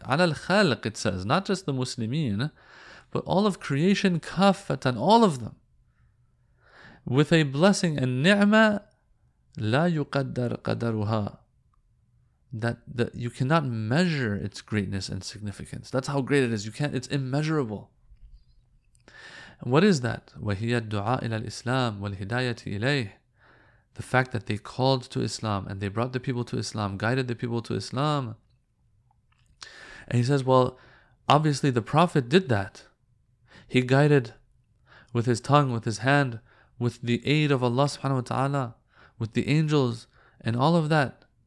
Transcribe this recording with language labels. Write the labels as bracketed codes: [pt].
[ar] على الخالق, [en] it says, not just the Muslimin, but all of creation, كافةً, all of them, with a blessing and ni'mah [ar] لا يقدر قدرها, [en] that you cannot measure its greatness and significance. That's how great it is. It's immeasurable. What is that? [ar] وهي الدعاء إلى الإسلام والهداية إليه. [en] The fact that they called to Islam and they brought the people to Islam, guided the people to Islam. And he says, well, obviously the Prophet did that. He guided with his tongue, with his hand, with the aid of Allah subhanahu wa ta'ala, with the angels and all of that.